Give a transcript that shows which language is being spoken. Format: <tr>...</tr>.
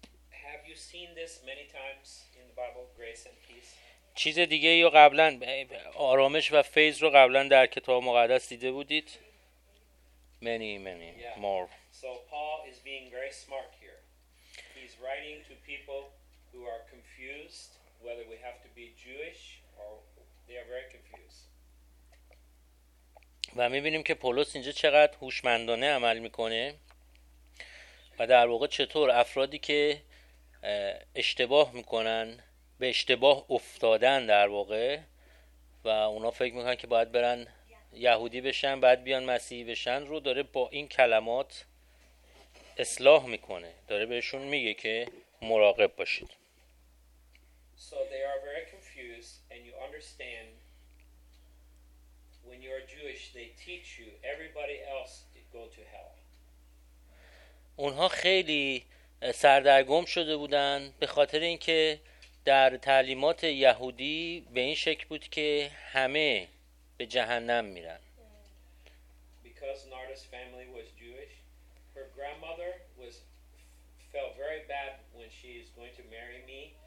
<en>Have you seen this many times in the Bible, grace and peace?</en> <fa>چیز دیگه ای رو قبلا، آرامش و فیض رو قبلا در کتاب مقدس دیده بودید؟</fa> <en>many more. So Paul is being very smart here. He's writing to people who are confused whether we have to be Jewish or they are very confused.</en> <fa>و می‌بینیم که پولس اینجا چقدر هوشمندانه عمل می‌کنه و در واقع چطور افرادی که اشتباه می‌کنن به اشتباه افتادن در واقع و اونا فکر میکنن که باید برن یهودی بشن بعد بیان مسیحی بشن رو داره با این کلمات اصلاح میکنه، داره بهشون میگه که مراقب باشید.</fa> <en>So they are very confused and you understand when you are Jewish they teach you everybody else go to hell.</en> <fa>اونها خیلی سردرگم شده بودن به خاطر اینکه در تعلیمات یهودی به این شکل بود که همه به جهنم میرن.</fa> <en>Because Narda's family was Jewish, her grandmother was felt very bad when she is going to marry me.</en>